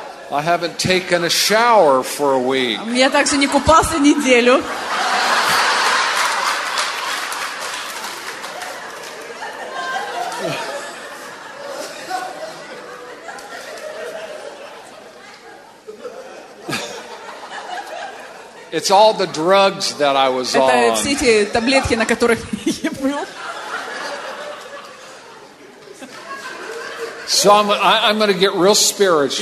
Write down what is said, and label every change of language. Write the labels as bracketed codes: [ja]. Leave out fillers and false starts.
[en] I haven't taken a shower for a week. [ru] Я также не купался неделю. [en] It's all the drugs that I was on. [ru] Это все эти таблетки, на которых я был. [en] So I'm going to get real spiritual.